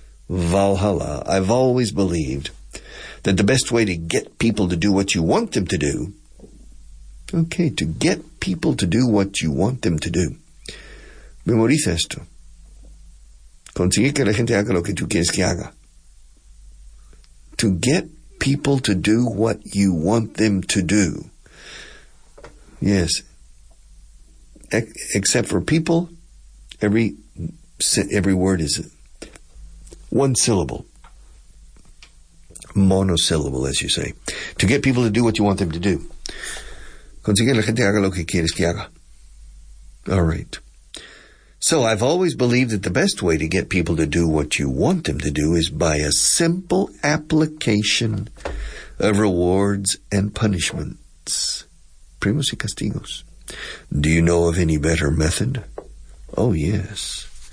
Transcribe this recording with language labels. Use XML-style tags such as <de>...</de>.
<en>I've always believed that the best way to get people to do what you want them to do, okay, to get people to do what you want them to do.</en> <es>Memoriza esto. Consigue que la gente haga lo que tú quieres que haga.</es> <en>To get people to do what you want them to do. Yes. Except for people, every word is one syllable. Monosyllable, as you say. To get people to do what you want them to do.</en> <es>Consigue la gente haga lo que quieres que haga.</es> <en>All right. So I've always believed that the best way to get people to do what you want them to do is by a simple application of rewards and punishments.</en> <es>Primos y castigos.</es> <en>Do you know of any better method? Oh, yes.</en>